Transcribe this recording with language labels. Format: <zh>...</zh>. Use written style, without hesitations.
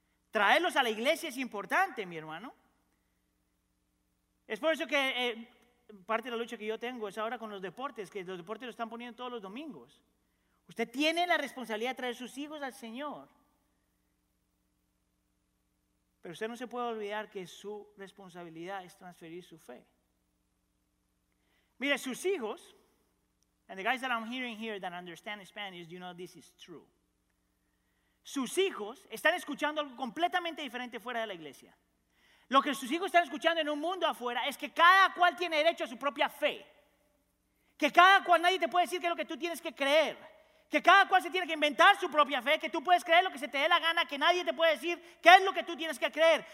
<es>Traerlos a la iglesia es importante, mi hermano. Es por eso que parte de la lucha que yo tengo es ahora con los deportes, que los deportes lo están poniendo todos los domingos. Usted tiene la responsabilidad de traer sus hijos al Señor. Pero usted no se puede olvidar que su responsabilidad es transferir su fe. Mire, sus hijos,</es> <en>and the guys that I'm hearing here that understand Spanish, you know this is true.</en> <es>Sus hijos están escuchando algo completamente diferente fuera de la iglesia. Lo que sus hijos están escuchando en un mundo afuera es que cada cual tiene derecho a su propia fe. Que cada cual, nadie te puede decir qué es lo que tú tienes que creer. Que cada cual se tiene que inventar su propia fe, que tú puedes creer lo que se te dé la gana, que nadie te puede decir qué es lo que tú tienes que creer.</es>